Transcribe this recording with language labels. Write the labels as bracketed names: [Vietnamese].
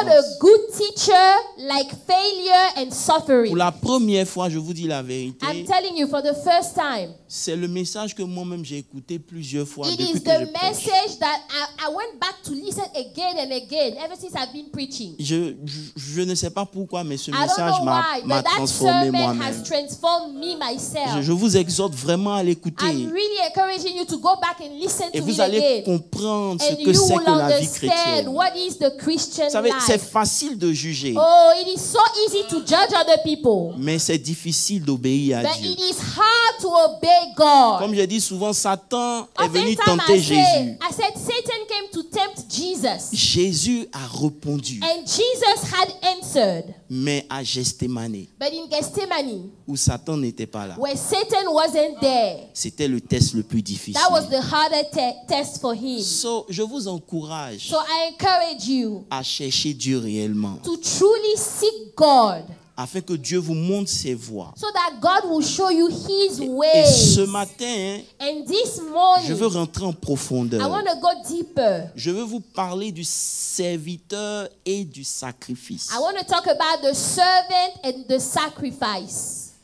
[English] Not a good teacher like failure and suffering. [French] Pour la première fois, je vous dis la vérité. [English] I'm telling you for the first time. [French] C'est le message que moi-même j'ai écouté plusieurs fois [English] it [French] depuis que je prêche. [English] It is the message that I went back to listen again and again ever since I've been preaching. [French] Je ne sais pas pourquoi, mais ce message m'a transformé moi-même. [English] Has transformed me myself. [French] Je vous exhorte vraiment à l'écouter. [English] I'm really encouraging you to go back and listen [French] et [English] to it. [French] Et vous allez [English] again. [French] Comprendre ce que c'est que la vie chrétienne. [English] What is the Christian [French] vous savez, [English] life. [French] C'est facile de juger. [English] Oh, it is so easy to judge other people. [French] Mais c'est difficile d'obéir à [English] but [French] Dieu. [English] But it is hard to obey God. [French] Comme je dis souvent, Satan est venu tenter Jésus. [English] I said Satan came to tempt Jesus. [French] Jésus a répondu. [English] And Jesus had answered. [French] Mais à Gethsemane. [English] But in Gethsemane. [French] Où Satan n'était pas là. [English] Where Satan wasn't there. [French] C'était le test le plus difficile. [English] That was the harder test for him. [French] So, je vous encourage. [English] So I encourage you. [French] À chercher Dieu réellement. [English] To truly seek God. [French] Afin que Dieu vous montre ses voies. [English] So that God will show you his ways. [French] Et ce matin, [English] and this morning, [French] je veux rentrer en profondeur. [English] I want to go deeper. [French] Je veux vous parler du serviteur et du sacrifice. [English] I want to talk about the servant and the sacrifice.